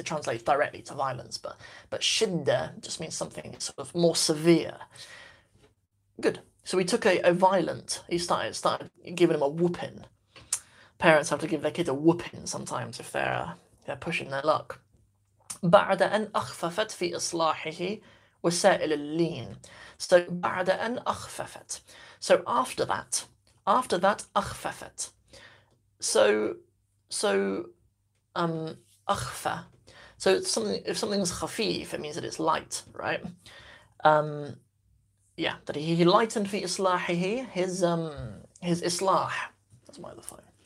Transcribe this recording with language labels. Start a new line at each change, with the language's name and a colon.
English: It translates directly to violence, but shidda just means something sort of more severe. Good. So we took a violent. He started giving him a whooping. Parents have to give their kids a whooping sometimes if they're pushing their luck.
Arabic: بعد أن أخففت في إصلاحه وسائل اللين.
English: So
Arabic: بعد أن أخففت.
English: So after that أخففت. So أخفى. So it's something, if something's خفيف, it means that it's light, right? That he lightened
Arabic: في إصلاحه
English: his إصلاح. That's my other phone.